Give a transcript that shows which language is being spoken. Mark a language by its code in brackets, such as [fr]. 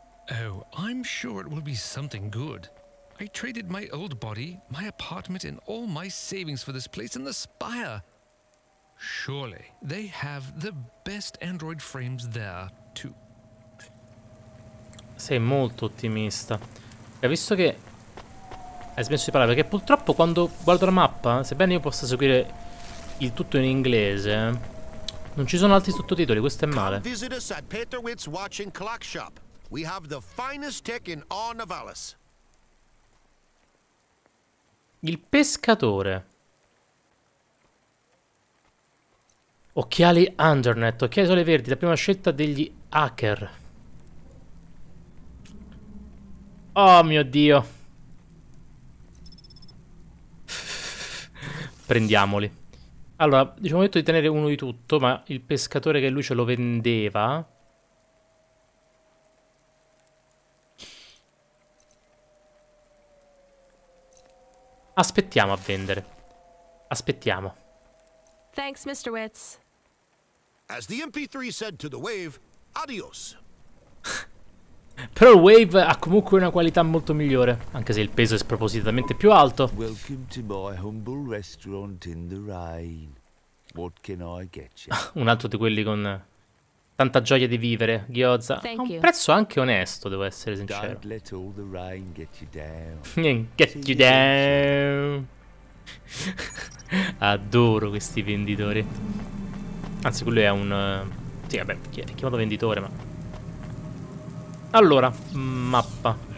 [en] Oh, I'm sure it will be something good. I traded my old body, my apartment, and all my savings for this place in the Spire. Surely they have the best android frames there, too. [it] Sei molto ottimista. Hai visto che hai smesso di parlare? Perché purtroppo quando guardo la mappa, sebbene io possa seguire il tutto in inglese, non ci sono altri sottotitoli, questo è male. [en] Come visit us at Peterwitz Watch and Clock Shop. We have the finest tech in all Novalis. [it] Il pescatore. Occhiali Undernet, occhiali sole verdi, la prima scelta degli hacker. Oh mio Dio. Prendiamoli. Allora, diciamo detto di tenere uno di tutto, ma il pescatore che lui ce lo vendeva. Aspettiamo a vendere. Aspettiamo. [en] Thanks, Mr. Witz. As the MP3 said to the Wave, adios. [it] Però il Wave ha comunque una qualità molto migliore, anche se il peso è spropositamente più alto. [en] Welcome to my humble restaurant in the rain. What can I get you? [it] Un altro di quelli con tanta gioia di vivere, Gyoza. [en] Thank you. [it] Un prezzo anche onesto, devo essere sincero. [en] Don't let all the rain get you down. Get you down. [it] Adoro questi venditori. Anzi, quello è un... sì, vabbè, è chiamato venditore, ma... Allora, mappa.